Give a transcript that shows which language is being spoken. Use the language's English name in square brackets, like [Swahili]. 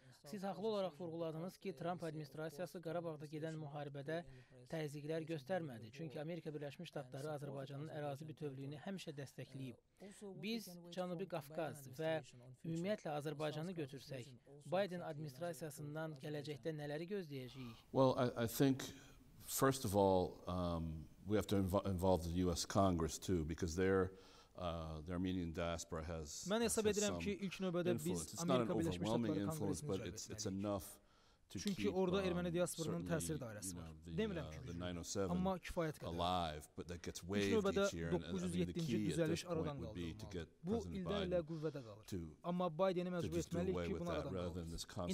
[Azerbaijani] Siz haqlı olaraq vurguladınız ki, Trump administrasiyası Qarabağda gedən müharibədə təzyiqlər göstərmədi. Çünki Amerika Birləşmiş Ştatları Azərbaycanın ərazi bütövlüyünü həmişə dəstəkləyib. Biz Cənubi Qafqaz və ümumiyyətlə Azərbaycanı götürsək, Biden administrasiyasından gələcəkdə nələri gözləyəcəyik? [English] Well, I think, first of all, we have to involve the US Congress too, because they're the Armenian diaspora has [Azerbaijani] Mən hesab edirəm ki, ilk növbədə biz Amerika Birləşmiş Ştatları konqresini cəlb etməliyik. Çünki orada erməni diasporunun təsir dairəsi var. Demirəm ki, gücü, amma kifayət qədər. İlk növbədə 907-ci düzəliş aradan qaldırılmalıdır. Bu, ildən ilə qüvvədə qalır. Amma Bideni məcbur etməli ki, bunu aradan qaldırılmalıdır.